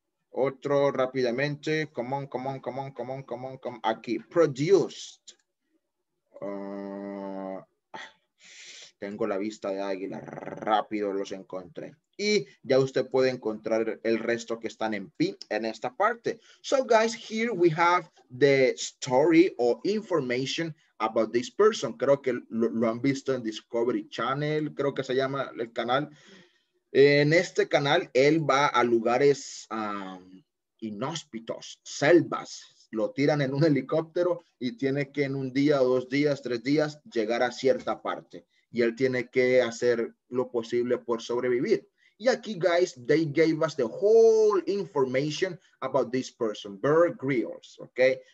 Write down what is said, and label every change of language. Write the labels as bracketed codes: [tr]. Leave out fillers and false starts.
[es] Otro rápidamente. [en] Come on. [es] Aquí, produced. Tengo la vista de águila. Rápido los encontré. Y ya usted puede encontrar el resto que están en P en esta parte. [en] So, guys, here we have the story or information about this person. [es] Creo que lo han visto en Discovery Channel. Creo que se llama el canal. En este canal, él va a lugares inhóspitos, selvas. Lo tiran en un helicóptero y tiene que en un día, dos días, tres días, llegar a cierta parte. Y él tiene que hacer lo posible por sobrevivir. Y aquí, [en] guys, they gave us the whole information about this person, Bear Grylls, okay?